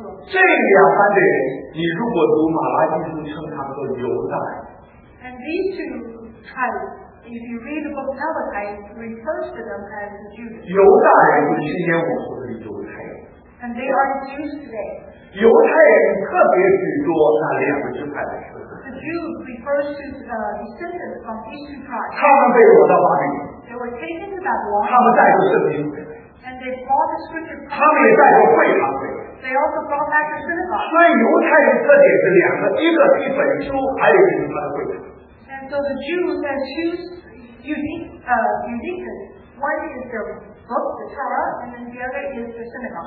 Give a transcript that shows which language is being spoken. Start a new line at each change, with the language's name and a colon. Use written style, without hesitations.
Chinese: 这两班的人，你如果读马拉基书，称他们做犹大人。
English: And these two tribes, if you read the book Malachi, refer to them as the Jews.
Chinese: 犹大人就是今天我说的犹太人。
English: And they are Jews today.
Chinese: 犹太人特别许多那两个支派的人。
English: Jews refers to descendants from these two tribes.
Chinese: 他们被掳到巴比伦。
English: They were taken to Babylon.
Chinese: 他们带着圣经。
English: And they brought the scripture.
Chinese: 他们也带着会堂。
English: They also brought back the synagogue.
Chinese: 所以犹太人特点是两个，一个是本书，还有一个是会堂。
English: And so the Jews and Jews uniqueness. One is their book, the Torah, and then the other is the synagogue.